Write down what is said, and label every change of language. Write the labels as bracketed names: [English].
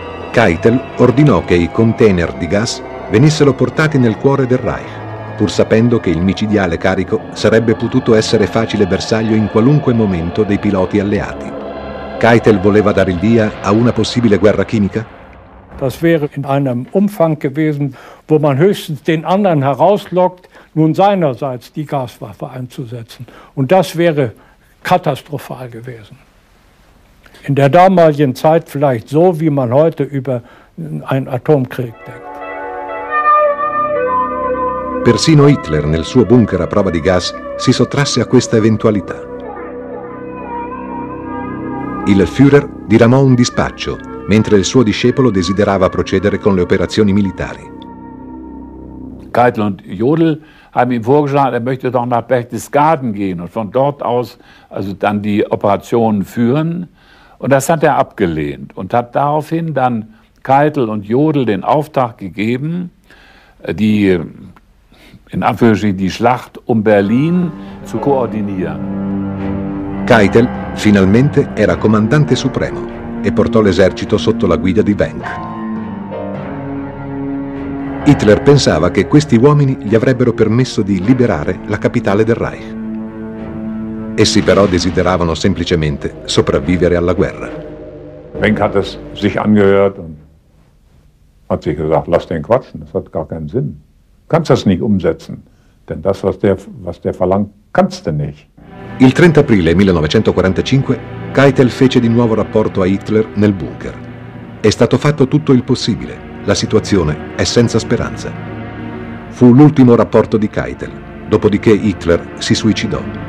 [Italian] Keitel ordinò che i container di gas venissero portati nel cuore del Reich, pur sapendo che il micidiale carico sarebbe potuto essere facile bersaglio in qualunque momento dei piloti alleati. Keitel voleva dare il via a una possibile guerra chimica? [German] Das wäre in einem Umfang gewesen, wo man höchstens den anderen herauslockt, nun seinerseits die Gaswaffe einzusetzen. Und das wäre katastrophal gewesen. In der damaligen Zeit vielleicht so, wie man heute über einen Atomkrieg denkt. [Italian] Persino Hitler nel suo bunker a prova di gas si sottrasse a questa eventualità. Il Führer diramò un dispaccio mentre il suo discepolo desiderava procedere con le operazioni militari. [German] Keitel und Jodl haben ihm vorgeschlagen, er möchte doch nach Berchtesgaden gehen und von dort aus also dann die Operationen führen. Und das hat er abgelehnt und hat daraufhin dann Keitel und Jodl den Auftrag gegeben, die in Anführungsstrichen die Schlacht um Berlin zu koordinieren. [Italian] Keitel finalmente era comandante supremo e portò l'esercito sotto la guida di Wenck. Hitler pensava che questi uomini gli avrebbero permesso di liberare la capitale del Reich. Essi però desideravano semplicemente sopravvivere alla guerra. [German] Wenck hat es sich angehört und hat sich gesagt, lass den quatschen, das hat gar keinen Sinn. Kannst das nicht umsetzen, denn das, was der verlangt, kannst du nicht. [Italian] Il 30 aprile 1945 Keitel fece di nuovo rapporto a Hitler nel bunker. È stato fatto tutto il possibile, la situazione è senza speranza. Fu l'ultimo rapporto di Keitel, dopodiché Hitler si suicidò.